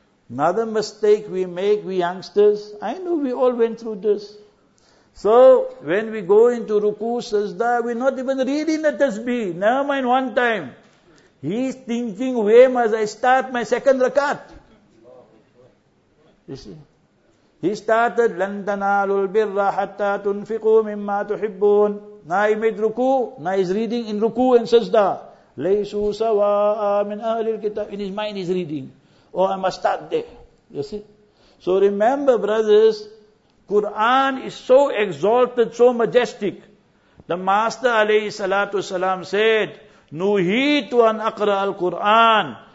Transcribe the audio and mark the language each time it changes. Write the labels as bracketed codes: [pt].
[en] Another mistake we make, we youngsters, I know we all went through this. So, when we go into ruku, sajda, we're not even reading the tasbih. Never mind one time. He's thinking, where must I start my second rakat? You see? He started, [ar] لَن تَنَالُوا الْبِرَّ حَتَّى تُنْفِقُوا مِمَّا تُحِبُّونَ. [en] Now he made ruku, now he's reading in ruku and sajda. [ar] لَيْسُ سَوَاءَ مِنْ أَهْلِ الْكِتَابِ. [en] In his mind he's reading. Oh, I must start there. You see? So remember, brothers, Quran is so exalted, so majestic. The Master alayhi salatu salam said, [ar] Nuhitu an aqra al-Quran.